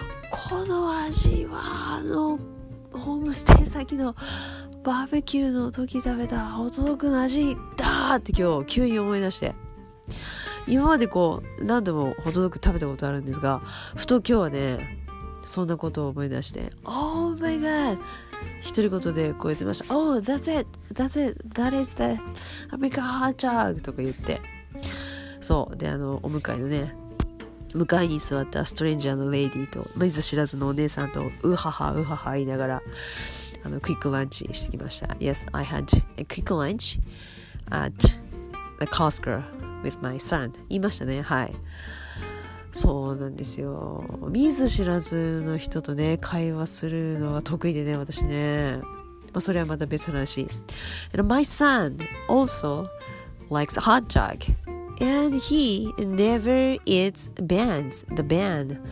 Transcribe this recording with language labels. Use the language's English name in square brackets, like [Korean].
[Japanese] この味はあのホームステイ先のバーベキューの時食べたホットドッグの味だって今日急に思い出して、今までこう何度もホットドッグ食べたことあるんですが、ふと今日はね、そんなことを思い出して、 [English] Oh my god、 [Japanese] 一人ごとでこう言ってました。 [English] Oh, that's it, that's it, that is the American hot dog [Japanese] とか言って、そうで、あのお迎えのね、向かいに座ったストレンジャーのレイディーと、見ず知らずのお姉さんとウハハウハハ言いながら、あのクイックランチしてきました。 [English] Yes, I had a quick lunch at the Costco with my son. [Japanese] 言いましたね、はい。そうなんですよ。見ず知らずの人とね、会話するのは得意でね、私ね。まあ、それはまた別の話。 [English] And my son also likes hot dog. And he never eats buns. The bun.